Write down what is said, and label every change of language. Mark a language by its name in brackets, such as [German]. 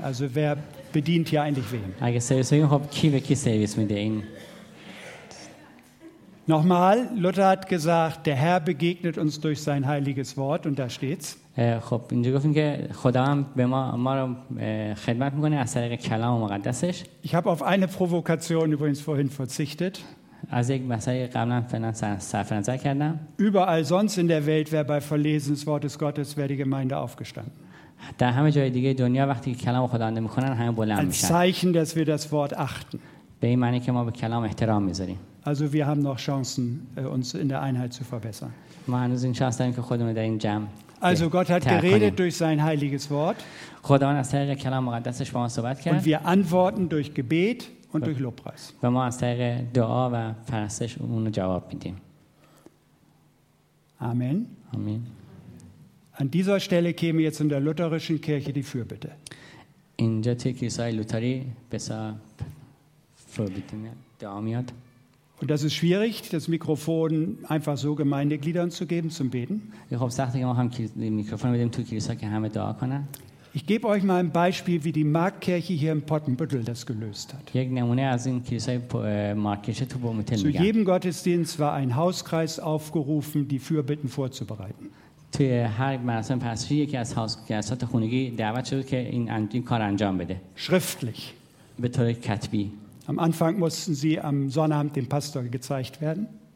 [German] Also wer bedient hier eigentlich wem? Nochmal, Luther hat gesagt, der Herr begegnet uns durch sein heiliges Wort und da steht's. [Persian] خب اینجا گفتیم که خدا هم به ما رو خدمت میکنه از طریق کلام مقدسش. [German] Ich habe auf eine Provokation übrigens vorhin verzichtet. [Persian] از یک مسئله قبلا صرف نظر کردم. [German] Überall sonst in der Welt wäre bei Verlesen des Wortes Gottes wäre die Gemeinde aufgestanden. [Persian] در همه جای دیگه دنیا وقتی کلام خدا رو میخونن همه بلند میشن. [German] Ein Zeichen, dass wir das Wort achten. [Persian] به این معنی که ما به کلام احترام میذاریم. [German] Also wir haben noch Chancen, uns in der Einheit zu verbessern. [Persian] ما هنوز این شانس داریم که خودمون در این جمع [German] Also Gott hat geredet durch sein heiliges Wort. [Persian] خداوند از طریق کلام مقدسش با ما صحبت کرد. [German] Und wir antworten durch Gebet und durch Lobpreis. [Persian] و ما از طریق دعا و پرستش اونو جواب میدیم. [German] Amen. Amen. An dieser Stelle käme jetzt in der lutherischen Kirche die Fürbitte. [Persian] اینجا توی کلیسای لوتری بسیار فربیتی دعا میاد. [German] Und das ist schwierig, das Mikrofon einfach so Gemeindegliedern zu geben zum Beten. Ich gebe euch mal ein Beispiel, wie die Marktkirche hier in Pottenbüttel das gelöst hat. Zu jedem Gottesdienst war ein Hauskreis aufgerufen, die Fürbitten vorzubereiten. [Persian] توی هر مراسم پاسخی یکی از هاوسکرایسات خونگی دعوت شد که این کار انجام بده. [German] Schriftlich. [Persian] به طور کتبی. [German] Am Anfang mussten sie am Sonnabend dem Pastor gezeigt werden.